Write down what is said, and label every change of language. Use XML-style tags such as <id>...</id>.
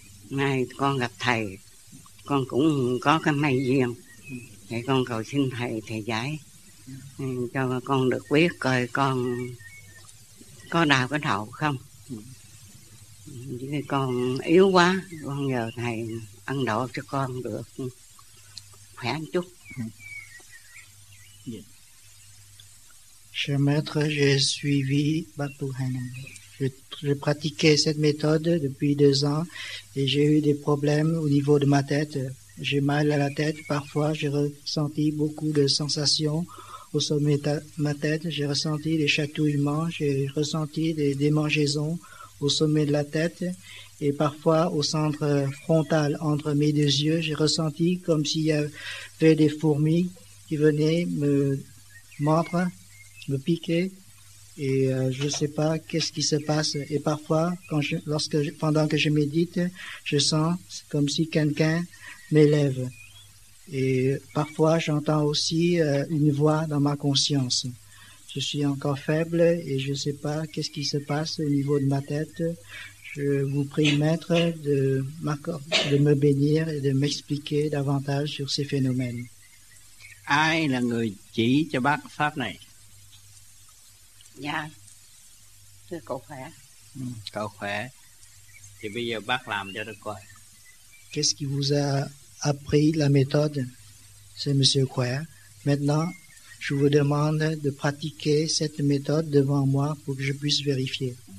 <vi>Nay con gặp thầy, con cũng có cái may duyên, vậy con cầu xin thầy giải cho con được biết coi con có đau cái đầu không. Vì con yếu quá, con nhờ thầy ăn độ cho con được khỏe một chút.</vi> <fr>Cher maître, j'ai suivi Bapuhanam. J'ai pratiqué cette méthode depuis 2 ans et j'ai eu des problèmes au niveau de ma tête. J'ai mal à la tête. Parfois, j'ai ressenti beaucoup de sensations au sommet de ma tête. J'ai ressenti des chatouillements. J'ai ressenti des démangeaisons au sommet de la tête et parfois au centre frontal, entre mes deux yeux. J'ai ressenti comme s'il y avait des fourmis qui venaient me mordre, me piquer. Et je ne sais pas qu'est-ce qui se passe. Et parfois, pendant que je médite, je sens comme si quelqu'un m'élève. Et parfois, j'entends aussi une voix dans ma conscience. Je suis encore faible et je ne sais pas qu'est-ce qui se passe au niveau de ma tête. Je vous prie, Maître, de me bénir et de m'expliquer davantage sur ces phénomènes.</fr> <vi>Ai là người chỉ cho bác pháp này? Dạ, thưa cậu khỏe. Cậu khỏe. Thì bây giờ bác làm cho tôi coi.</vi> <fr>Qu'est-ce qui vous a appris la méthode? C'est Monsieur Khỏe. Maintenant, je vous demande de pratiquer cette méthode devant moi pour que je puisse vérifier.</fr>